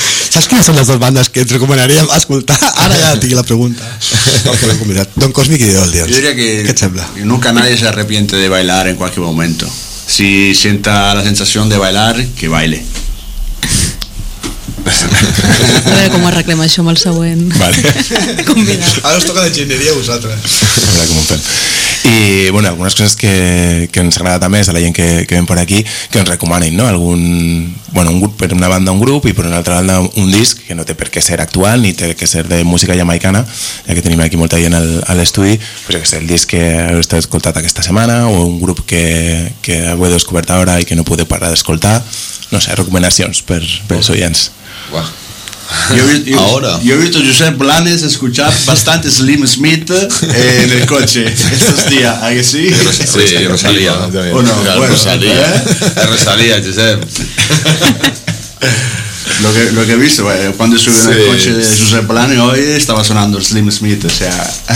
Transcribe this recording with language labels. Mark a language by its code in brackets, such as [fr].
[ca] Saps quines són les dues bandes que ens recomanaríem escoltar? Ara ja tinc la pregunta. El convidat. Don Cosmic i The Oldians. [es] Yo diría que [ca] ¿qué et sembla? [es] Nunca nadie se arrepiente de bailar en cualquier momento. Si sienta la sensación de bailar, que baile. [ca] A veure com arreglem això amb el següent, vale, convidat. Ara us toca l'enginyeria a vosaltres. A veure com ho fem. I bueno, algunes coses que ens agrada també és a la gent que ven per aquí, que ens recomanin, no? Algun, bueno, un grup, per una banda un grup i per una altra banda un disc, que no té per què ser actual ni té que ser de música jamaicana, ja que tenim aquí molta gent a l'estudi, pues que és el disc que heu escoltat aquesta setmana, o un grup que heu descobert ara i que no podeu parar d'escoltar. No sé, recomanacions per els oients. [es] Yo he visto a Josep Blanes escuchar bastante Slim Smith en el coche estos días, ¿a que sí? Sí, Rosalía. ¿O no? Bueno, Rosalía, ¿eh? Rosalía, Josep. Lo que he visto, cuando subí en el coche de Josep Blanes hoy estaba sonando Slim Smith, o sea...